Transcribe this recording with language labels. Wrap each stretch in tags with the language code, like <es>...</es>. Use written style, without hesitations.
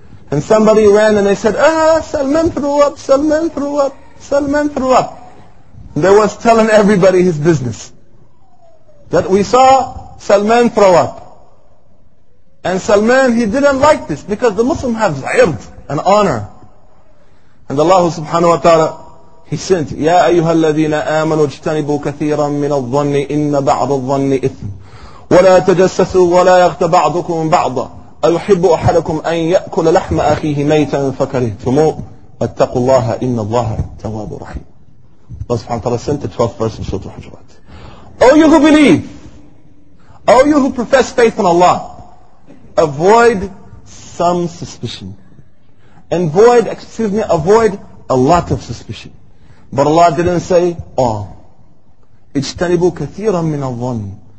<en>And somebody ran and they said, ah, Salman threw up, Salman threw up, Salman threw up. And they was telling everybody his business. That we saw Salman throw up. And Salman, he didn't like this because the Muslim have ird and honor.</en> <ar>And Allah subhanahu wa ta'ala, he sent, يَا أَيُّهَا الَّذِينَ آمَنُوا اجْتَنِبُوا كَثِيرًا مِّنَ الظَّنِّ إِنَّ بَعْضَ الظَّنِّ إِثْمٌ وَلَا تَجَسَّسُوا وَلَا يَغْتَ بَعْضُكُمْ بَعْضًا أَيُحِبُّ أَحَدَكُمْ أَنْ يَأْكُلَ لَحْمَ أَخِيهِ مَيْتًا فَكَرِهْتُمُوهُ فَاتَّقُوا اللَّهَ إِنَّ اللَّهَ تَوَّابٌ رَحِيمٌ.</ar> <en>Allah subhanahu wa ta'ala sent the 12th verse in Surah Al-Hujurat. O you who believe, O you who profess faith in Allah, avoid some suspicion. Avoid a lot of suspicion. But Allah didn't say all.</en> <ar>اجتنبوا كثيرا من الظن.</ar>